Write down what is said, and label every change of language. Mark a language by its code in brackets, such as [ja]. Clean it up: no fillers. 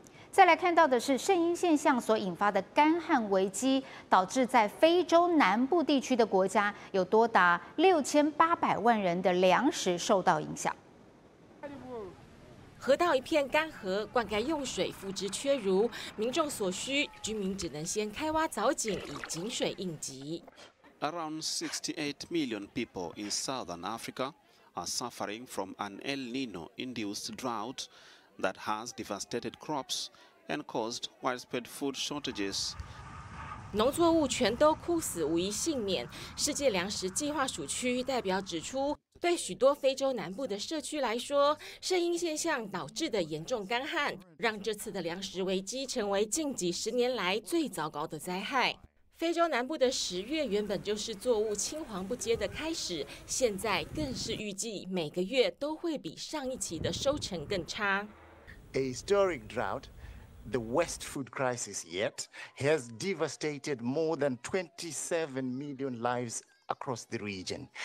[zh] 再来看到的是圣婴现象所引发的干旱危机，导致在非洲南部地区的国家有多达6800万人的粮食受到影响。河道一片干涸，灌溉用水付之阙如，民众所需，居民只能先开挖凿井以井水应急。 [en] Around 68 million people in southern Africa are suffering from an El Nino-induced drought that has devastated crops and caused widespread food shortages. [zh] 农作物全都枯死，无一幸免。世界粮食计划署区域代表指出，对许多非洲南部的社区来说，圣婴现象导致的严重干旱，让这次的粮食危机成为近几十年来最糟糕的灾害。非洲南部的十月原本就是作物青黄不接的开始，现在更是预计每个月都会比上一期的收成更差。 [en] A historic drought. The worst food crisis yet has devastated more than 27 million lives across the region.